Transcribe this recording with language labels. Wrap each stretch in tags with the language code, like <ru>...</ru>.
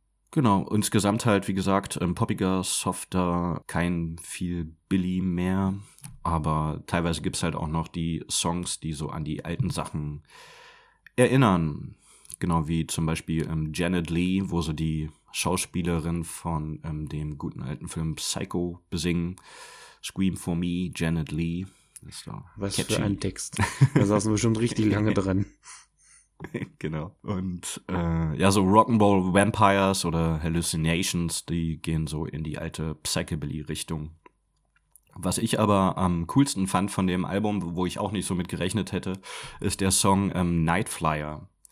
<de>Genau, insgesamt halt, wie gesagt, poppiger, softer, kein viel Billy mehr. Aber teilweise gibt's halt auch noch die Songs, die so an die alten Sachen erinnern. Genau, wie zum Beispiel Janet Leigh, wo sie die Schauspielerin von dem guten alten Film Psycho besingen.</de> <en>Scream for me, Janet Leigh.</en> <de>Das war was catchy. Für ein Text. Da saßen wir schon richtig lange dran. Genau. Und ja, so Rock'n'Roll Vampires oder Hallucinations, die gehen so in die alte Psychobilly-Richtung. Was ich aber am coolsten fand von dem Album, wo ich auch nicht so mit gerechnet hätte, ist der Song Nightflyer.</de>